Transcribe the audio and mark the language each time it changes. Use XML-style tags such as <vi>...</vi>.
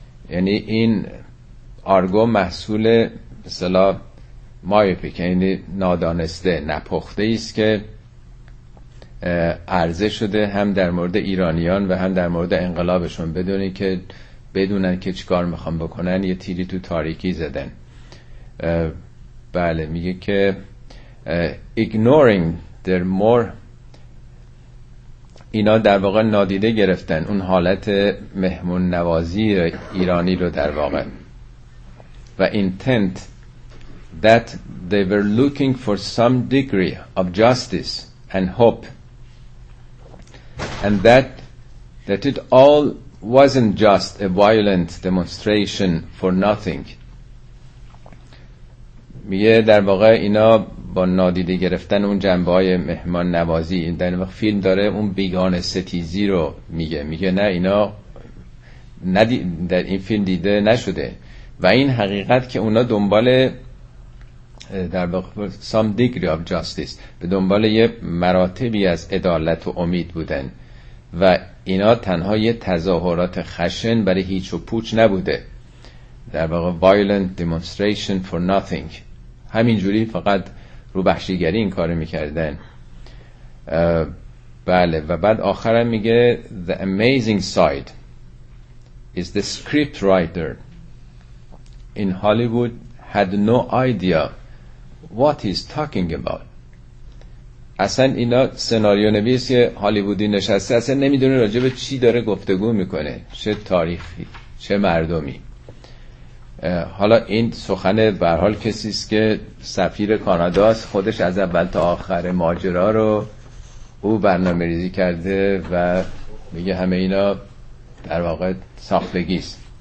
<fa>یعنی این Argo محصول مثلا myopic، یعنی نادانسته، نپخته است که عرضه شده هم در مورد ایرانیان و هم در مورد انقلابشون، بدونی که بدونن که چیکار میخوان بکنن، یه تیری تو تاریکی زدن. بله، میگه که</fa> <en>ignoring their more،</en> <fa>اینا در واقع نادیده گرفتن اون حالت مهمون نوازی ایرانی رو در واقع،</fa> <en>و intent that they were looking for some degree of justice and hope and that it all wasn't just a violent demonstration for nothing.</en> <fa>میگه در واقع اینا با نادیده گرفتن اون جنبه های مهمان نوازی، در واقع فیلم داره اون بیگانه ستیزی رو میگه، میگه نه اینا در این فیلم دیده نشده، و این حقیقت که اونا دنبال در واقع</fa> <en>some degree of justice،</en> <fa>به دنبال یه مراتبی از عدالت و امید بودن، و اینا تنها یه تظاهرات خشن برای هیچ و پوچ نبوده، در واقع</fa> <en>violent demonstration for nothing،</en> <fa>همینجوری فقط روبهشیگری این کارو میکردن. بله، و بعد آخرم میگه</fa> <en>the amazing side is the script writer in Hollywood had no idea what he's talking about.</en> <fa>اصلا اینا سناریو نویسی هالیوودی نشسته اصلا نمیدونه راجع به چی داره گفتگو میکنه، چه تاریخی، چه مردمی. حالا این سخن به حال کسی است که سفیر کانادا است، خودش از اول تا آخر ماجرا رو او برنامه‌ریزی کرده و میگه همه اینا در واقع ساختگی است.</fa>